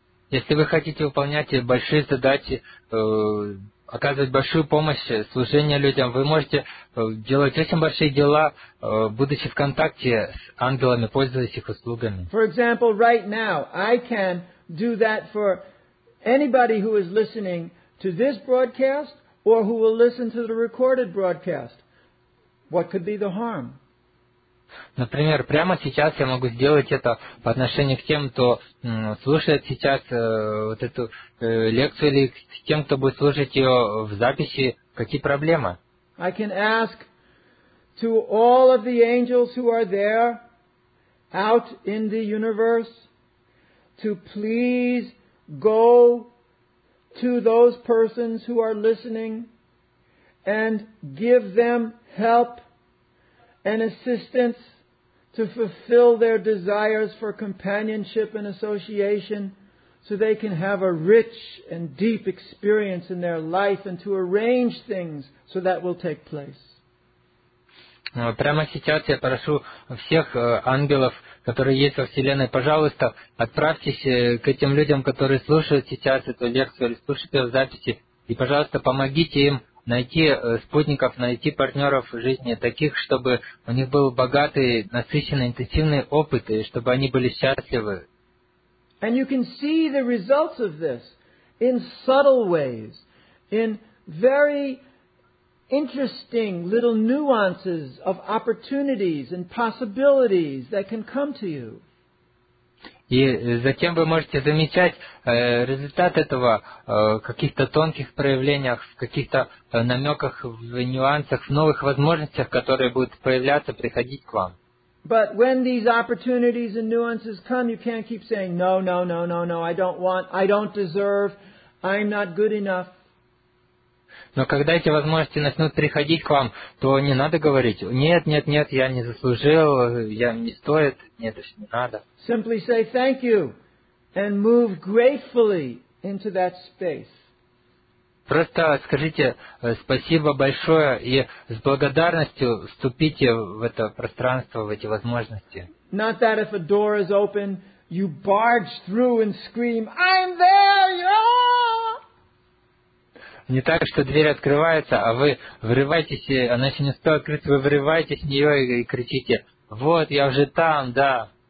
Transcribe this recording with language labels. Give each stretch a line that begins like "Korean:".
Russian: Если вы хотите выполнять большие задачи, оказывать большую помощь, служение людям, вы можете делать очень большие дела, будучи в контакте с ангелами, пользуясь их услугами.
English: For example, right now, I can do that for anybody who is listening to this broadcast, or who will listen to the recorded broadcast. What could be the harm?
Russian: Например, прямо сейчас я могу сделать это по отношению к тем, кто слушает сейчас вот эту лекцию, или к тем, кто будет слушать ее в записи. Какие проблемы?
English: I can ask to all of the angels who are there, out in the universe, to please go to those persons who are listening and give them help and assistance to fulfill their desires for companionship and association, so they can have a rich and deep experience in their life, and to arrange things so that will take place.
Russian: Прямо сейчас я прошу всех ангелов, которые есть во Вселенной, пожалуйста, отправьтесь к этим людям, которые слушают сейчас эту лекцию или слушают ее в записи, и, пожалуйста, помогите им найти спутников, найти партнеров в жизни таких, чтобы у них был богатый, насыщенный, интенсивный опыт, и чтобы они были счастливы.
English: And you can see the results of this in subtle ways, in very interesting little nuances of opportunities and possibilities that can come to you.
Russian: И затем вы можете замечать результат этого в каких-то тонких проявлениях, в каких-то намеках, в нюансах, в новых возможностях, которые будут появляться, приходить к вам.
English: But when these opportunities and nuances come, you can't keep saying, no, no, no, no, no, I don't want, I don't deserve, I'm not good enough.
Russian: Но когда эти возможности начнут приходить к вам, то не надо говорить, нет, нет, нет, я не заслужил, я не стоит, нет, это не надо.
English: Simply say thank you and move gratefully into that space.
Russian: Просто скажите спасибо большое и с благодарностью вступите в это пространство, в эти возможности.
English: Not that if a door is open, you barge through and scream, I'm there, yeah!
Russian: Не так, что дверь открывается, а вы врываетесь, она еще не стала открыться, вы врываетесь с нее и кричите, вот, я уже там, да.